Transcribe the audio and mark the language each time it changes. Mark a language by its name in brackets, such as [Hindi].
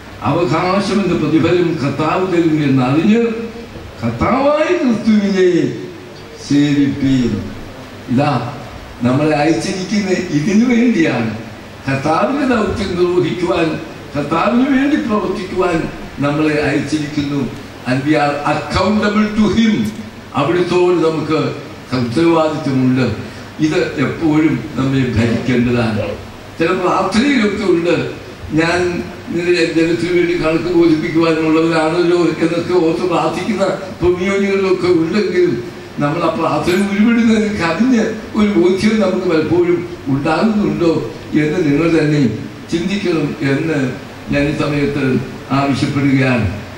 [Malayalam] അവകാശമെന്ന പ്രതിഫലം കർത്താവ് തരും എന്നറിഞ്ഞ് കർത്താവായി ക്രിസ്തുവിനെ സേവിപ്പീൻ. ഇതാ നമ്മളെ അയച്ചിരിക്കുന്ന ഇതിനു വേണ്ടിയാണ്, കർത്താവിന്റെ ദൗത്യം നിർവഹിക്കുവാൻ, കർത്താവിന് വേണ്ടി പ്രവർത്തിക്കുവാൻ നമ്മളെ അയച്ചിരിക്കുന്നു. [English] And we are accountable to him. [Malayalam] അവിടുത്തോട് നമുക്ക് ഉത്തരവാദിത്വമുണ്ട്. ഇത് എപ്പോഴും നമ്മെ ഭരിക്കേണ്ടതാണ്. ചില പ്രാർത്ഥനയിലൊക്കെ ഉണ്ട്, ഞാൻ ജനത്തിനു വേണ്ടി കണക്ക് ബോധിപ്പിക്കുവാനുള്ളവരാണല്ലോ എന്നൊക്കെ ഓർത്ത് പ്രാർത്ഥിക്കുന്ന കമ്മ്യൂണികളിലൊക്കെ ഉണ്ടെങ്കിലും നമ്മൾ ആ പ്രാർത്ഥന ഉരുവിടുന്നതിന് കഴിഞ്ഞ് ഒരു ബോധ്യം നമുക്ക് പലപ്പോഴും ഉണ്ടാകുന്നുണ്ടോ എന്ന് നിങ്ങൾ തന്നെ ചിന്തിക്കണം എന്ന് ഞാൻ ഈ സമയത്ത് ആവശ്യപ്പെടുകയാണ്.